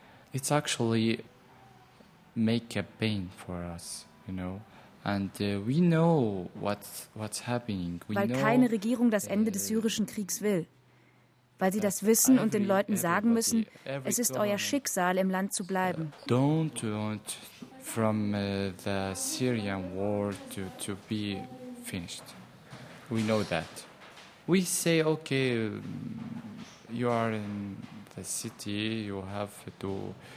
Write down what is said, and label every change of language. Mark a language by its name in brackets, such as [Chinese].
[English] It's actually make a pain for us, you know. And we know what's happening. [German] Weil keine Regierung das Ende des syrischen Kriegs will. Weil sie das wissen und den Leuten sagen müssen, es ist euer Schicksal, im Land zu bleiben. [English] Don't want from the Syrian war to be finished. We know that. We say, okay, you are in the city, you have to...